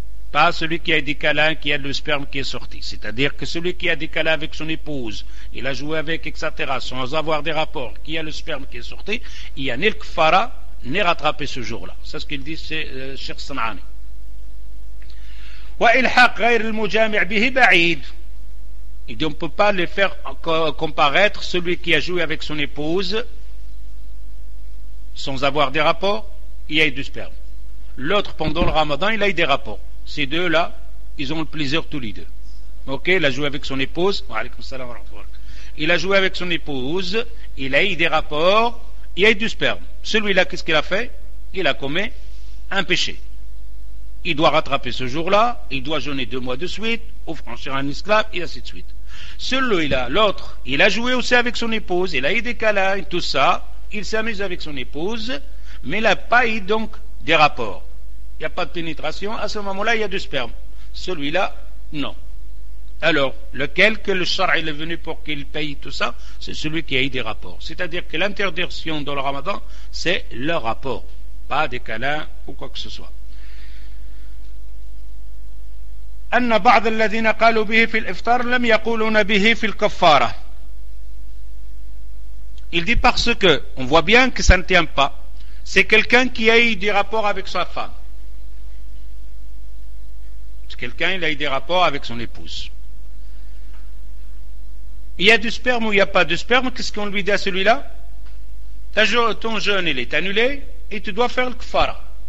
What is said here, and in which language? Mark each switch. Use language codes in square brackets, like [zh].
[fr] Pas celui qui a eu des câlins, qui a le sperme qui est sorti. C'est-à-dire que celui qui a des câlins avec son épouse, il a joué avec, etc., sans avoir des rapports, qui a le sperme qui est sorti, il n'y a ni le kfara, ni rattraper ce jour-là. C'est ce qu'il dit, c'est Cheikh Sanani. [ar] وإلحاق غير المجامع به بعيد. [fr] Il dit, on ne peut pas les faire comparaître celui qui a joué avec son épouse sans avoir des rapports, il a eu du sperme. L'autre, pendant le ramadan, il a eu des rapports. Ces deux-là, ils ont le plaisir tous les deux. Ok, il a joué avec son épouse. [ar] Wa alaykoum salam wa rahmatoullah. [fr] Il a joué avec son épouse, il a eu des rapports, il a eu du sperme. Celui-là, qu'est-ce qu'il a fait? Il a commis un péché. Il doit rattraper ce jour-là, il doit jeûner 2 mois de suite, ou franchir un esclave, et ainsi de suite. Celui-là, l'autre, il a joué aussi avec son épouse, il a eu des câlins, tout ça, il s'amuse avec son épouse, mais il n'a pas eu donc des rapports. Il n'y a pas de pénétration, à ce moment-là, il y a du sperme. Celui-là, non. Alors, lequel que le char est venu pour qu'il paye tout ça, c'est celui qui a eu des rapports. C'est-à-dire que l'interdiction dans le ramadan, c'est le rapport, pas des câlins ou quoi que ce soit. [ar] أن بعض الذين قالوا به في الإفطار لم يقولون به في الكفارة. [fr] Il dit parce que on voit bien que ça ne tient pas. C'est quelqu'un qui a eu des rapports avec sa femme. C'est quelqu'un qui a eu des rapports avec son épouse. Il y a du sperme ou il n'y a pas de sperme, qu'est-ce qu'on lui dit à celui-là? Ton jeûne il est annulé et tu dois faire le kafara.